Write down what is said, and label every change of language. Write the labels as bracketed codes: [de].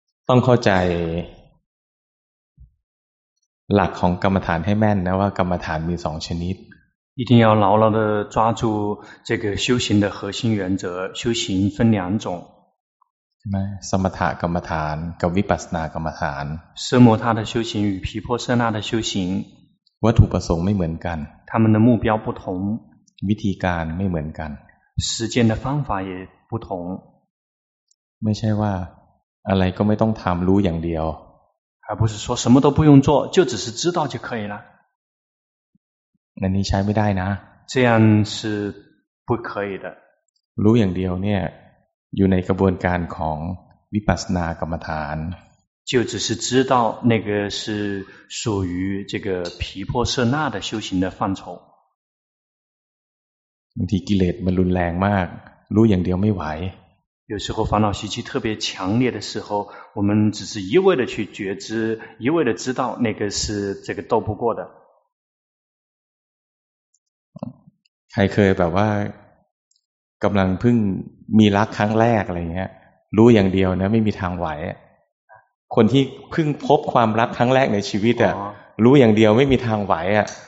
[th] ต้องเข้าใจหลักของกรรมฐานให้แม่นนะว่ากรรมฐานมีสองชนิด [zh] 一定要牢牢地抓住这个修行的核心原则修行分两种 [th] สมถกรรมฐานกับวิปัสสนากรรมฐาน [zh] 奢摩他的修行与毗婆舍那的修行 [th] วัตถุประสงค์ไม่เหมือนกัน [zh] 他们的目标不同 [th] วิธีการไม่เหมือนกัน [zh] 实践的方法也不同 [th] ไม่ใช่ว่าอะไรก็ไม่ต้องทำรู้อย่างเดียว [zh] 而不是说什么都不用做就只是知道就可以了那你 [th] ใช้ไม่ได้นะ [zh] 这样是不可以的 [th] รู้อย่างเดียวเนี่ยอยู่ในกระบวนการของวิปัสสนากรรมฐาน [zh] 就只是知道那个是属于这个毗婆舍那的修行的范畴 [th] บางทีกิเลสมันรุนแรงมากรู้อย่างเดียวไม่ไหว [zh] 有时候烦恼习气特别强烈的时候我们只是一味的去觉知一味的知道那个是这个斗不过的还可以 [th] แบบว่ากำลังเพิ่งมีรักครั้งแรกอะไรเงี้ยรู้อย่างเดียวนะไม่มีทางไหวคนที่เพิ่งพบความรักครั้งแรกในชีวิตอ่ะรู้อย่างเดียวไม่มีทางไหวอ่ะ